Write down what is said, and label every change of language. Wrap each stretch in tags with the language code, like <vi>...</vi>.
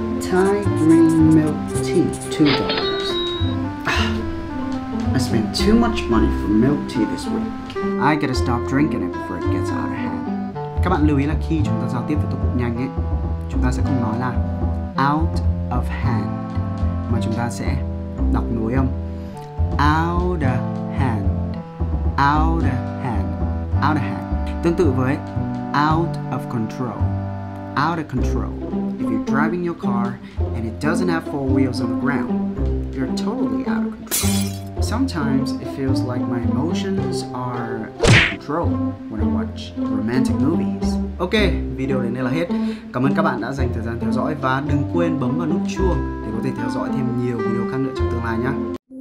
<en>Thai green milk tea, $2. I spent too much money for milk tea this week. I gotta stop drinking it before it gets out of hand.</en> <vi>Các bạn lưu ý là khi chúng ta giao tiếp với tổ cụm nhanh ấy, chúng ta sẽ không nói là out of hand mà chúng ta sẽ đọc nối âm out of hand, out of hand, out of hand. Tương tự với out of control, out of control.</vi> <en>If you're driving your car and it doesn't have four wheels on the ground, you're totally out of control. Sometimes it feels like my emotions are out of control when I watch romantic movies.</en> <vi>Ok, video đến đây là hết. Cảm ơn các bạn đã dành thời gian theo dõi và đừng quên bấm vào nút chuông để có thể theo dõi thêm nhiều video khác nữa trong tương lai nhé.</vi>